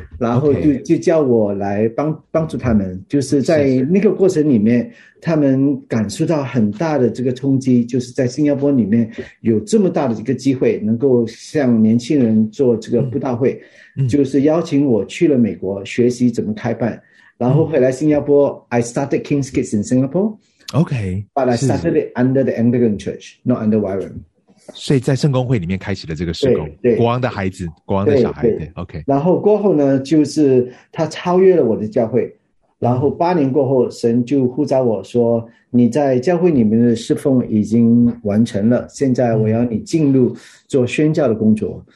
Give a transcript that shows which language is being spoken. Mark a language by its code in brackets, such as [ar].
[zh] 然后就叫我来帮助他们。就是在那个过程里面，他们感受到很大的这个冲击，就是在新加坡里面有这么大的一个机会能够向年轻人做这个布道会。就是邀请我去了美国学习怎么开办，然后回来新加坡。 [en] I started King's Kids in Singapore. Okay. But I started it under the Anglican Church, not under YWAM. [zh] 所以在圣公会里面开启了这个事工。对，国王的孩子，国王的小孩。对 ，OK。然后过后呢，就是他超越了我的教会。然后八年过后，神就呼召我说：“你在教会里面的侍奉已经完成了，现在我要你进入做宣教的工作。”